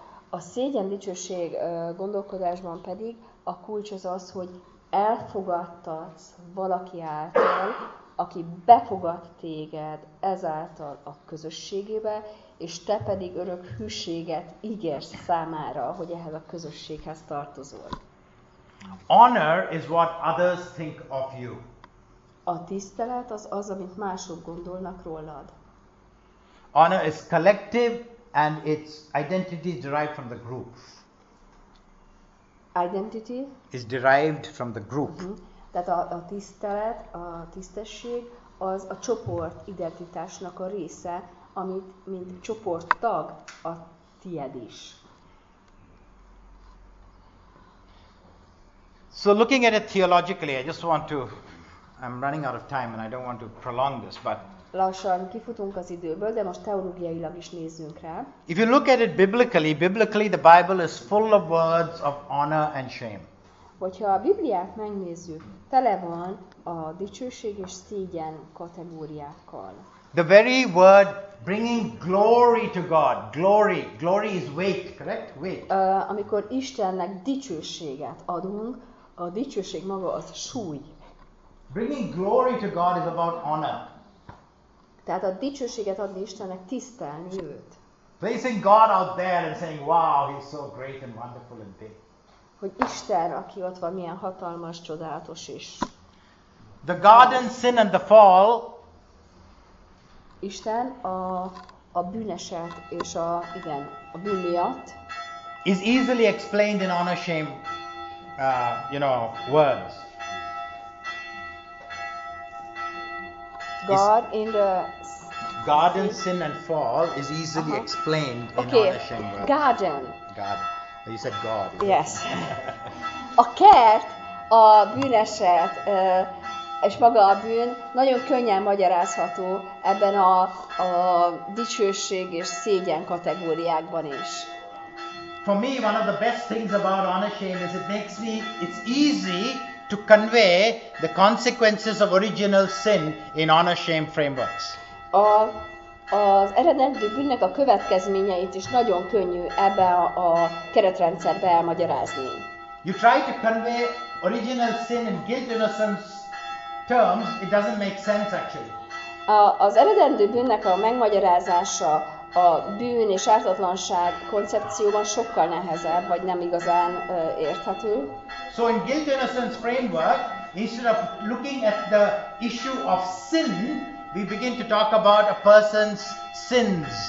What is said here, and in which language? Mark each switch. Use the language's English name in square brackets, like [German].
[Hungarian] A szégyen dicsőség gondolkodásban pedig a kulcs az az, hogy elfogadtatsz valaki által, aki befogad téged ezáltal a közösségébe, és te pedig örök hűséget ígérsz számára, hogy ehhez a közösséghez tartozol. [English] Honor is what others think of you. A tisztelet az, amit mások gondolnak rólad. Honor is collective and its identity is derived from the group. Identity is derived from the group. [Hungarian] Tehát a tisztelet, a tisztesség az a csoport identitásnak a része, amit mint csoport tag a tied is. [English] So looking at it theologically, I just want to, I'm running out of time and I don't want to prolong this, but [Hungarian] lassan kifutunk az időből, de most teológiailag is nézzünk rá. [English] If you look at it biblically the Bible is full of words of honor and shame. [Hungarian] Hogyha a Bibliát megnézzük, tele van a dicsőség és szégyen kategóriákkal. [English] The very word bringing glory to God, glory is weight, correct? Weight. [Hungarian] Amikor Istennek dicsőséget adunk, a dicsőség maga az súly. [English] Bringing glory to God is about honor. [Hungarian] Tehát a dicsőséget adni Istennek, tisztelni őt. [English] Placing God out there and saying, wow, he's so great and wonderful and big. [Hungarian] Hogy Isten, aki ott van, milyen hatalmas, csodálatos is. [English] The garden sin and the fall. [Hungarian] Isten a bűneset és a, igen, a bűn miatt. [English] Is easily explained in honor shame, you know, words. God in the garden sin and fall is easily explained in okay. Honor shame words. Garden. You said God. Yes. [Hungarian] A kert, a bűneset és maga a bűn nagyon könnyen magyarázható ebben a dicsőség és szégyen kategóriákban is. [English] For me, one of the best things about honor shame is it's easy to convey the consequences of original sin in honor shame frameworks. [Hungarian] Az eredeti bűnnek a következményeit is nagyon könnyű ebbe a keretrendszerbe elmagyarázni. [English] You try to convey original sin in guilt innocence terms, it doesn't make sense actually. [Hungarian] Az eredeti bűnnek a megmagyarázása a bűn és ártatlanság koncepcióban sokkal nehezebb, vagy nem igazán érthető. [English] So in guilt innocence framework, instead of looking at the issue of sin, we begin to talk about a person's sins.